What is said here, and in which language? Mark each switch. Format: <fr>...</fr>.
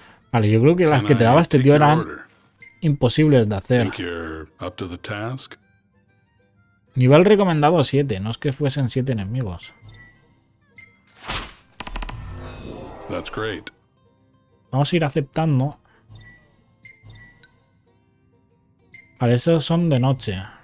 <es>Vale, yo creo que las que te daba este tío eran imposibles de hacer.</es> <en>Think you're up to the task?</en> <es>Nivel recomendado 7, no es que fuesen 7 enemigos.</es> <en>That's great.</en> <es>Vamos a ir aceptando. Vale, esos son de noche.</es>